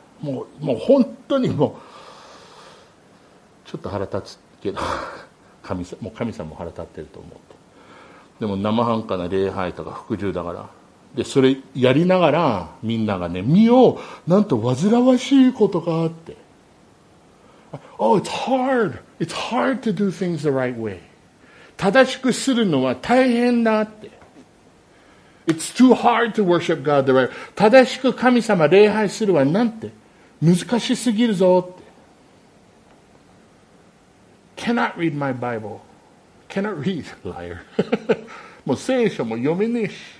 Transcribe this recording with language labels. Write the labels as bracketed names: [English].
[Japanese] もう本当にもうちょっと腹立つけど神さんも腹立ってると思うと。でも生半可な礼拝とか服従だから。でそれやりながらみんながね、見よう、なんと煩わしいことがあって。 [English] Oh, it's hard. It's hard to do things the right way. [Japanese] 正しくするのは大変だって。 [English] It's too hard to worship God the right way. [Japanese] 正しく神様礼拝するはなんて難しすぎるぞって。 [English] Cannot read my Bible. Cannot read, liar. [Japanese] もう聖書も読めねえし。